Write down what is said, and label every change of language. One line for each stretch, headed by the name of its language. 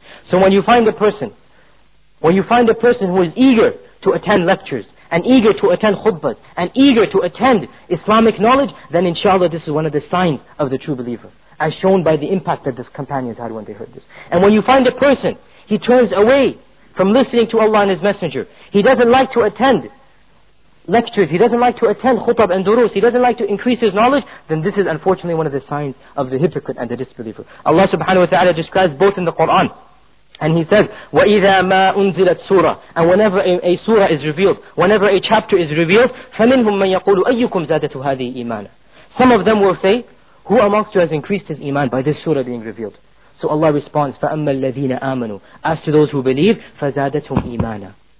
English: So when you find a person who is eager to attend lectures, and eager to attend khutbahs, and eager to attend Islamic knowledge, then inshallah this is one of the signs of the true believer, as shown by the impact that this companions had when they heard this. And when you find a person, he turns away from listening to Allah and His Messenger, he doesn't like to attend lectures, he doesn't like to attend khutab and durus, he doesn't like to increase his knowledge, then this is unfortunately one of the signs of the hypocrite and the disbeliever. Allah subhanahu wa ta'ala describes both in the Quran. And he says,
Arabic: وَإِذَا مَا أُنزِلَتْ سُورَةً.
English: And whenever a surah is revealed, whenever a chapter is revealed,
Arabic: فَمِنْهُمْ مَنْ يَقُولُ أَيُّكُمْ زَادَتُ هَذِهِ إِيمَانًا.
English: Some of them will say, who amongst you has increased his iman by this surah being revealed? So Allah responds,
Arabic: فَأَمَّا الَّذِينَ آمَنُوا.
English: As to those who believe,
Arabic: فَزَادَتْهُمْ إِيمَانًا.